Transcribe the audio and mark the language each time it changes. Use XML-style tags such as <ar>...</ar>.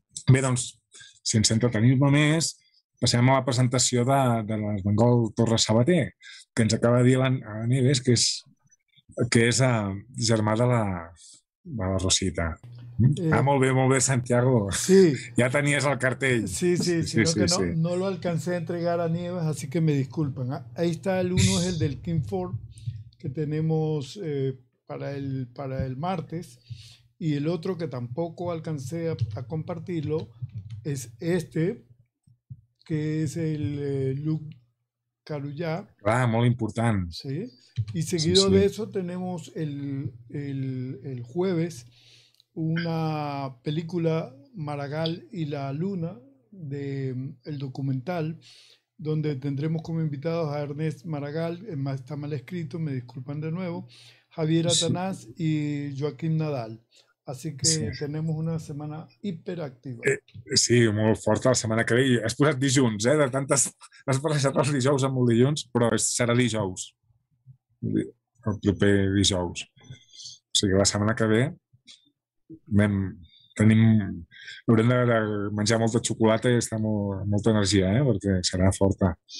<ca>Bé, doncs, si ens entra tenir només, passem a la presentació de l'Esmengol Torres Sabater, que ens acaba de dir la Neves, que és germà de la Rosita. Ah, molt bé, Santiago. Sí. Ja tenies el cartell.</ca> <es>Sí, sí, no lo alcancé a entregar a Nieves, así que me disculpen. Ahí está el uno, es el del Kim Ford, que tenemos para el martes. Y el otro, que tampoco alcancé a compartirlo, es este, que es el Luc Carullà.</es> <ca>Ah, molt important. Sí.</ca> <es>Y seguido de eso tenemos el jueves una película, Maragall y la Luna, del documental, donde tendremos como invitados a Ernest Maragall, está mal escrito, me disculpan de nuevo, Javier Atanás y Joaquín Nadal. Así que tenemos una semana hiperactiva.</es> <ca>Sí, molt forta la setmana que ve. Has posat dijous, de tantes... Has posat els dijous amb el dilluns, però serà dijous. El proper dijous. O sigui, la setmana que ve haurem de menjar molta xocolata i estar amb molta energia, perquè serà forta.</ca>